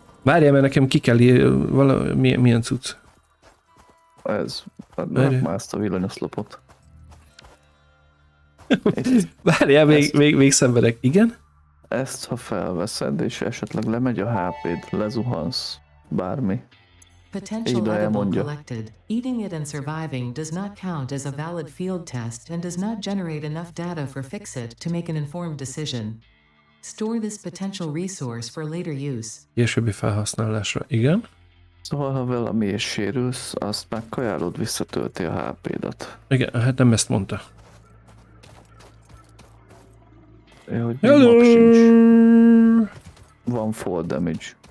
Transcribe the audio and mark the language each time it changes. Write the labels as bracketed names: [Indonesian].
[Hungarian] Várjál, mert nekem ki kell valami, milyen cucc. Ez, megmászt a villanyoszlopot. Várjál, még szenvedek, igen? Ezt, ha felveszed, és esetleg lemegy a HP-d, lezuhansz, bármi. [English] Potential edible collected. Eating it and surviving does not count as a valid field test and does not generate enough data for fix it to make an informed decision. Store this potential resource for later use. [Hungarian] Későbbi felhasználásra, igen. Szóval, ha valami is sérülsz, azt megkajálod, visszatölti a HP-dat. Igen, hát nem ezt mondta. É, hogy hello! Sincs. Van full damage.